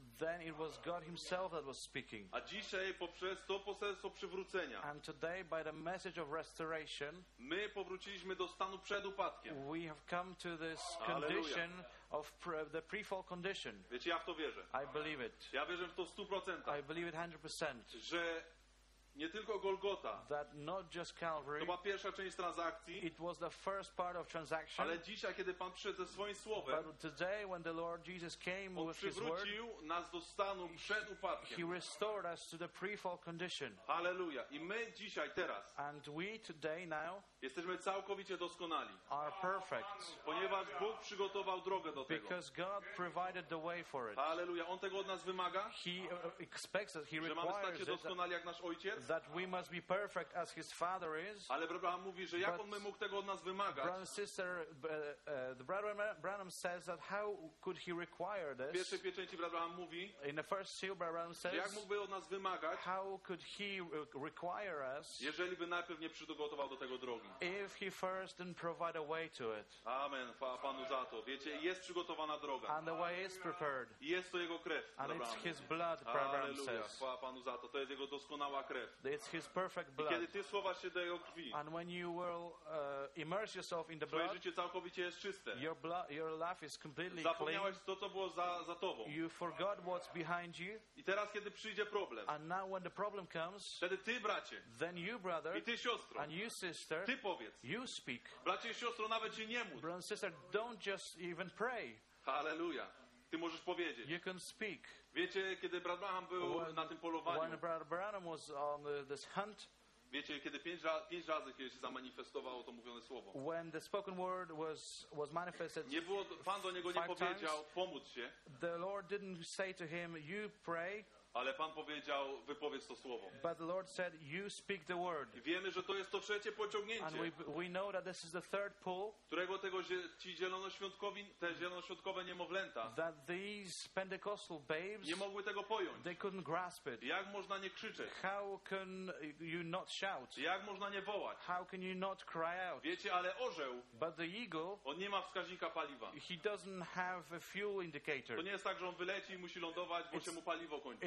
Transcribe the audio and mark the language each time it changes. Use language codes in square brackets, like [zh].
[en] Then it was God himself that was speaking. [pl] A dzisiaj poprzez to poselstwo przywrócenia. [en] And today by the message of restoration. [pl] My powróciliśmy do stanu przed upadkiem. [en] We have come to this condition. Alleluja. Of the pre-fall condition. [pl] Wiecie, ja w to wierzę. [en] I believe it. [pl] Ja wierzę w to 100%. [en] I believe it 100%. [pl] Że nie tylko Golgota. [en] That not just Calvary. [pl] To była pierwsza część transakcji. [en] It was the first part of transaction. [pl] Ale dzisiaj, kiedy Pan przyszedł ze swoim słowem. [en] But today, when the Lord Jesus came with his word. [pl] On przywrócił nas do stanu przed upadkiem. [en] He restored us to the pre-fall condition. [pl] Hallelujah. I my dzisiaj, teraz. [en] And we today, now. [pl] Jesteśmy całkowicie doskonali. [en] Are perfect. [pl] Ponieważ Bóg przygotował drogę do tego. [en] Because God provided the way for it. [pl] Hallelujah. On tego od nas wymaga. [en] He expects it. He [pl] że [en] requires [pl] mamy stać się doskonali jak nasz Ojciec. [en] That we must be perfect as his father is. [pl] Ale Branham mówi, że jak on by mógł tego od nas wymagać? [en] Brother sister, the brother Branham says that how could he require this? [pl] W pierwszej pieczęci Branham mówi. [en] In the first seal, Brother Branham says. [pl] Jak mógłby od nas wymagać? [en] How could he require us? [pl] Jeżeli by najpierw nie przygotował do tego drogi. [en] If he first didn't provide a way to it. [pl] Amen. Panu za to. Wiecie, jest przygotowana droga. [en] And the way is prepared. [pl] Jest to jego krew. [en] And it's his blood, Brother Branham says. [pl] Chwała Panu za to. To jest jego doskonała krew. [en] It's his perfect blood. [pl] I kiedy ty słowa się do jego krwi. [en] And when you will immerse yourself in the blood. [pl] Twoje życie całkowicie jest czyste. [en] Your life is completely [pl] zapomniałeś Zapomniałeś to, co było za tobą. [en] You forgot what's behind you. [pl] I teraz kiedy przyjdzie problem. [en] And now when the problem comes. [pl] Wtedy ty bracie. [en] Then you brother. [pl] I ty siostro. [en] And you sister. [pl] Ty powiedz. [en] You speak. [pl] Bracie i siostro, nawet się nie módl. [en] Brother sister, don't just even pray. [pl] Hallelujah. Ty możesz powiedzieć. [en] You can speak. [pl] Wiecie, kiedy brat Branham był na tym polowaniu. [en] When brother Branham was on this hunt. [pl] Wiecie, kiedy pięć razy kiedy się zamanifestowało to mówione słowo. [en] When the spoken word was manifested. [pl] Nie było, Pan do niego nie powiedział, pomóc się. [en] The Lord didn't say to him, you pray. [pl] Ale Pan powiedział, wypowiedz to słowo. [en] But the Lord said, you speak the word. [pl] Wiemy, że to jest to trzecie pociągnięcie. [en] And we know that this is the third pull. [pl] Którego tego ci zielonoświątkowi, te zielonoświątkowe niemowlęta. [en] That these Pentecostal babes. [pl] Nie mogły tego pojąć. [en] They couldn't grasp it. [pl] Jak można nie krzyczeć? [en] How can you not shout? [pl] Jak można nie wołać? [en] How can you not cry out? [pl] Wiecie, ale orzeł. [en] But the eagle. [pl] On nie ma wskaźnika paliwa. [en] He doesn't have a fuel indicator. [pl] To nie jest tak, że on wyleci i musi lądować, bo się mu paliwo kończy.